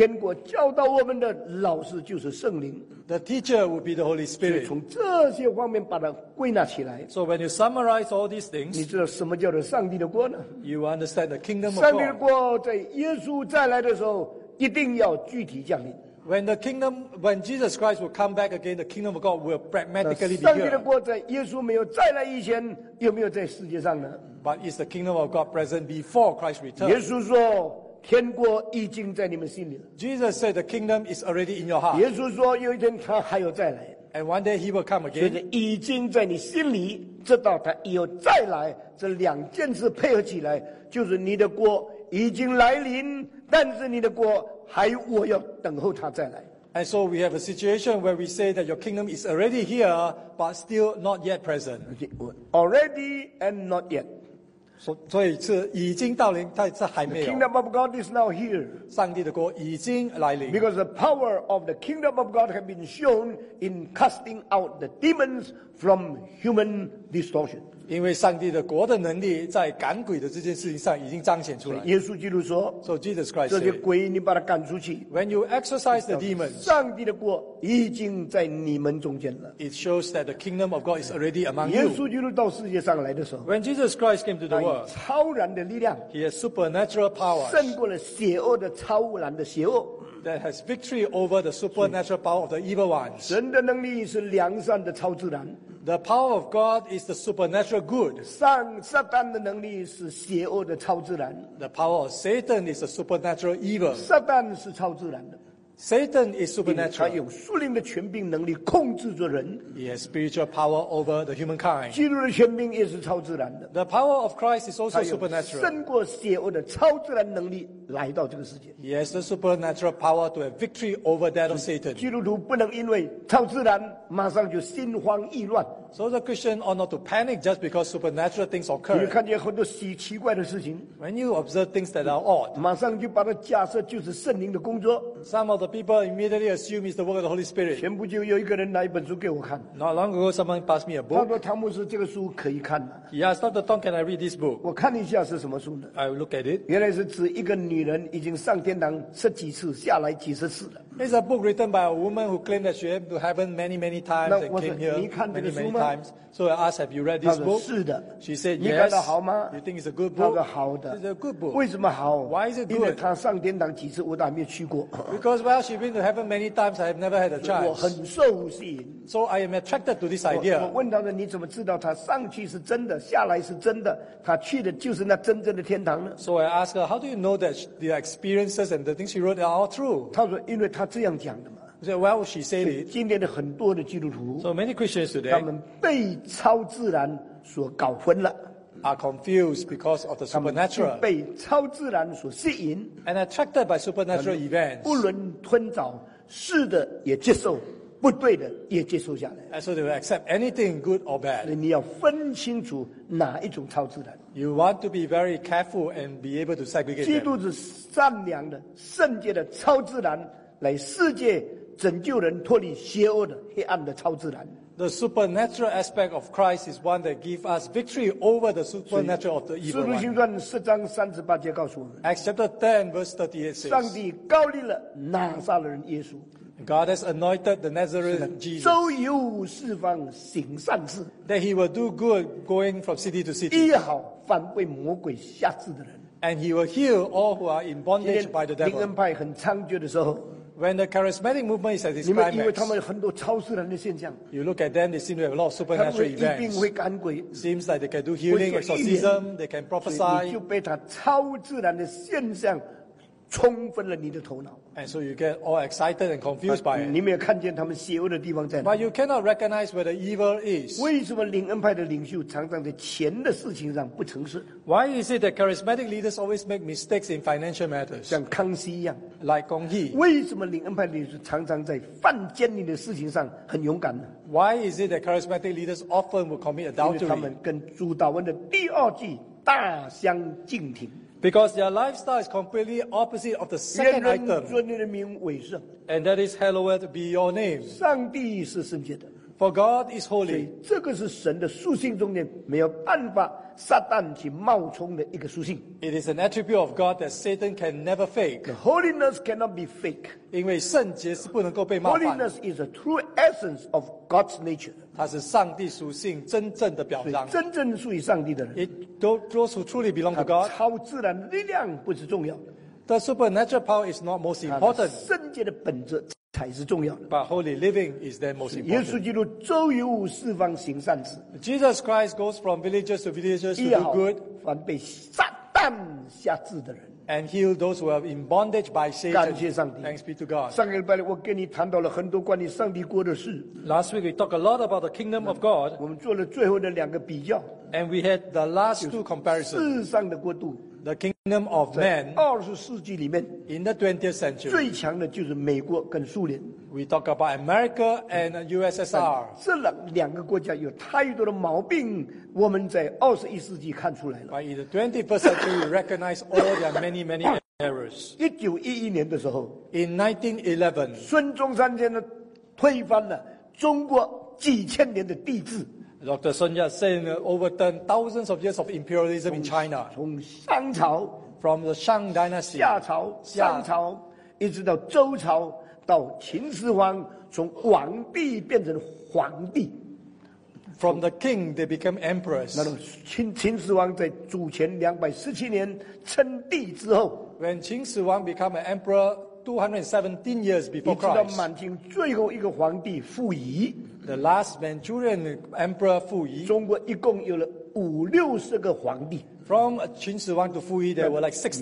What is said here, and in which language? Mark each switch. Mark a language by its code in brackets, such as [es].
[zh] 天国教导我们的老师就是圣灵。 [en] The teacher will be the Holy Spirit. [zh] 从这些方面把它归纳起来。 [en] So when you summarize all these things, [zh] 你知道什么叫做上帝的国呢？ [en] You understand the kingdom of God. [zh] 上帝的国在耶稣再来的时候一定要具体降临。 [en] When the kingdom, when Jesus Christ will come back again, the kingdom of God will pragmatically be here. [zh] 上帝的国在耶稣没有再来以前有没有在世界上呢？ [en] But is the kingdom of God present before Christ returns? [zh] 耶稣说天国已经在你们心里了。 [en] Jesus said the kingdom is already in your heart. [zh] 耶稣说有一天他还有再来。 [en] And one day he will come again. [zh] 所以已经在你心里，直到他以后再来，这两件事配合起来，就是你的国已经来临，但是你的国还我要等候他再来。 [en] And so we have a situation where we say that your kingdom is already here, but still not yet present. Already and not yet. [zh] 所以是已经到临，但是还没有。 [en] The kingdom of God is now here. [zh] 上帝的国已经来临。 [en] Because the power of the kingdom of God has been shown in casting out the demons from human distortion. [zh] 因为上帝的国的能力在赶鬼的这件事情上已经彰显出来。耶稣基督说， [en] So Jesus Christ said, [zh] 这些鬼你把它赶出去。 [en] When you exorcise the demons, [zh] 上帝的国已经在你们中间了。 [en] It shows that the kingdom of God is already among you. [zh] 耶稣基督到世界上来的时候， [en] When Jesus Christ came to the world, [zh] 超然的力量， [en] He has supernatural powers, [zh] 胜过了邪恶的超然的邪恶。 [en] That has victory over the supernatural power of the evil ones. [zh] 神的能力是良善的超自然。 [en] The power of God is the supernatural good. [zh] 撒旦的能力是邪恶的超自然。 [en] The power of Satan is the supernatural evil. [zh] 撒旦是超自然的。 [en] Satan is supernatural. [zh] 他有属灵的权柄能力控制着人。 [en] He has spiritual power over the humankind. [zh] 基督的权柄也是超自然的。 [en] The power of Christ is also supernatural. [zh] 胜过邪恶的超自然能力来到这个世界。 [en] He has the supernatural power to have victory over that of Satan. [zh] 基督徒不能因为超自然马上就心慌意乱。 [en] So the Christian ought not to panic just because supernatural things occur. [zh] 你看见很多奇怪的事情。 [en] When you observe things that are odd, [zh] 马上就把它假设就是圣灵的工作。 [en] Some of the people immediately assume it's the work of the Holy Spirit. [zh] 前不久有一个人拿一本书给我看。 [en] Not long ago, someone passed me a book. [zh] 他说汤姆斯这个书可以看吗？ [en] He asked Dr. Tom, can I read this book? [zh] 我看一下是什么书呢？ [en] I look at it. [zh] 原来是指一个女人已经上天堂十几次，下来几十次了。 [en] It's a book written by a woman who claimed that she went to heaven many, many times and came here many, many times. So I asked, have you read this book? [zh] 是的。 [en] She said, yes. [zh] 你看得好吗? [en] You think it's a good book? [zh] 他说好的。 [en] It's a good book. [zh] 为什么好? [en] Why is it good? [zh] 因为他上天堂几次我都还没有去过。 [en] Because well, she went to heaven many times, I've never had a chance. [zh] 我很受吸引。 [en] So I am attracted to this idea. [zh] 我问他说你怎么知道他上去是真的,下来是真的,他去的就是那真正的天堂呢? [en] So I asked her, how do you know that the experiences and the things she wrote are all true? [zh] 他说因为他这样讲的嘛。 [en] So, well, she said it. [zh] 今天的很多的基督徒, [en] so many Christians today, [zh] 他们被超自然所搞混了。 [en] Are confused because of the supernatural. [zh] 他们被超自然所吸引。 [en] And attracted by supernatural events. [zh] 不论吞枣,是的也接受。不对的也接受下来。 [en] And so they will accept anything good or bad. [zh] 所以你要分清楚哪一种超自然。 [en] You want to be very careful and be able to segregate them. [zh] 基督是善良的、圣洁的超自然，来世界拯救人脱离邪恶的、黑暗的超自然。 [en] The supernatural aspect of Christ is one that gives us victory over the supernatural of the evil one. [zh] 使徒行传四章三十八节告诉我们。 [en] Acts chapter 10 verse 38 says, [zh] 上帝高立了拿撒勒人耶稣。 [en] God has anointed the Nazarene Jesus. [zh] 周游四方行善事。 [en] That he will do good going from city to city. [zh] 医好凡被魔鬼辖制的人。 [en] And he will heal all who are in bondage by the devil. [zh] 今天灵恩派很猖獗的时候。 [en] When the charismatic movement is at its climax, [zh] 你们以为他们有很多超自然的现象。 [en] You look at them, they seem to have a lot of supernatural events. [zh] 他们一定会赶鬼。 [en] Seems like they can do healing, exorcism, they can prophesy. [zh] 你就被他超自然的现象充分了你的头脑。 [en] And so you get all excited and confused by it. [zh] 你没有看见他们邪恶的地方在哪。 [en] But you cannot recognize where the evil is. [zh] 为什么灵恩派的领袖常常在钱的事情上不诚实？ [en] Why is it that charismatic leaders always make mistakes in financial matters? [zh] 像康熙一样。 [en] Like Gong Hi. [zh] 为什么灵恩派的领袖常常在犯奸淫的事情上很勇敢呢？ [en] Why is it that charismatic leaders often will commit adultery? [zh] 因为他们跟主祷文的第二句大相径庭。 [en] Because their lifestyle is completely opposite of the second item. [zh] 愿人尊你的名为圣。 [en] And that is hallowed be your name. [zh] 上帝是圣洁的。 [en] For God is holy. [zh] 这个是神的属性中间没有办法撒旦去冒充的一个属性。 [en] It is an attribute of God that Satan can never fake. The holiness cannot be fake. [zh] 因为圣洁是不能够被冒犯。 [en] Holiness is a true essence of God's nature. [zh] 它是上帝属性真正的表彰。真正属于上帝的人。 [en] Those who truly belong to God. [zh] 超自然力量不是重要的。 [en] The supernatural power is not most important. [zh] 圣洁的本质。才是重要的。 [en] But holy living is then most important. [zh] 耶稣基督周游四方行善事。 [en] Jesus Christ goes from villages to villages to do good. [zh] 凡被撒旦辖制的人。 [en] And heal those who are in bondage by Satan. [zh] 感谢上帝。 [en] Thanks be to God. [zh] 上个礼拜我跟你谈到了很多关于上帝国的事。 [en] Last week we talked a lot about the kingdom of God. [zh] 我们做了最后的两个比较。 [en] And we had the last two comparisons. [zh] 世上的国度。 [en] The kingdom of man. [zh] 二十世纪里面 [en] ，in the 20th century， [zh] 最强的就是美国跟苏联。 [en] We talk about America and USSR. [zh] 这两个国家有太多的毛病，我们在二十一世纪看出来了。 [en] By the 21st century, we recognize all their many, many errors. [zh] 1911年的时候 [en] ，in 1911， [zh] 孙中山先生推翻了中国几千年的帝制。 [en] Dr. Sun Yat-sen overturned thousands of years of imperialism in China. [zh] 从商朝 [en] from the Shang Dynasty, [zh] 夏朝、商朝，一直到周朝，到秦始皇，从皇帝变成皇帝。 [en] From the king, they became emperors. [zh] 那么秦始皇在主前217年称帝之后 [en] ，When 秦始皇 became an emperor 217 years before Christ, [zh] 一直到满清最后一个皇帝溥仪。 [en] The last Manchurian Emperor 溥仪， [zh] 中国一共有了五六十个皇帝。 [en] From 秦始皇 to 溥仪 there were like 60 emperors.